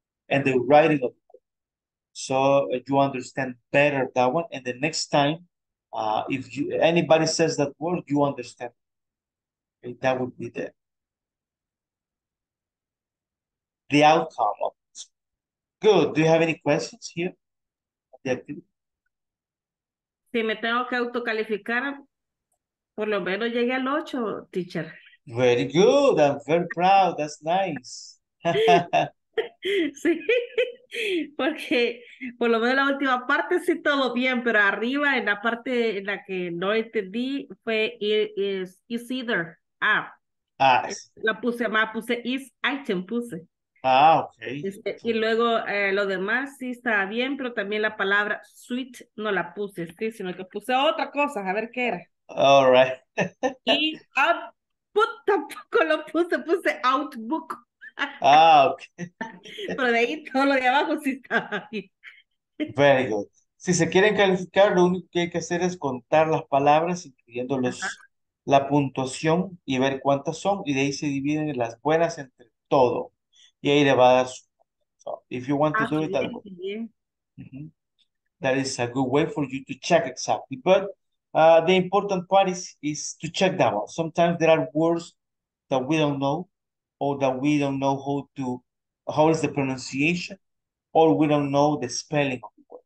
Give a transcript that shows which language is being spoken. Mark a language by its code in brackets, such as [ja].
[en] and the writing of the code. So you understand better that one. And the next time, if you, anybody says that word, you understand. Okay, that would be the outcome of it. Good. Do you have any questions here? The activity? [es] Si me tengo que autocalificar, por lo menos llegué al 8, teacher. [en] Very good. I'm very proud. That's nice. [es] Sí, porque por lo menos la última parte sí todo bien, pero arriba en la parte en la que no entendí fue [en] is either. Ah. Ah. [es] La puse más, puse [en] is item, [es] puse. Ah, ok. Este, y luego lo demás sí estaba bien, pero también la palabra sweet no la puse, sí, sino que puse otra cosa, a ver qué era. [en] All right. [es] Y output tampoco lo puse, puse outbook. Ah, ok. Pero de ahí todo lo de abajo sí estaba bien. [en] Very good. [es] Si se quieren calificar, lo único que hay que hacer es contar las palabras, incluyendo los, la puntuación, y ver cuántas son, y de ahí se dividen las buenas entre todo. Y ahí le va a dar su... [en] So, if you want to do it, mm-hmm. That is a good way for you to check exactly. But the important part is to check that one. Sometimes there are words that we don't know, or that we don't know how to, how is the pronunciation, or we don't know the spelling of the word.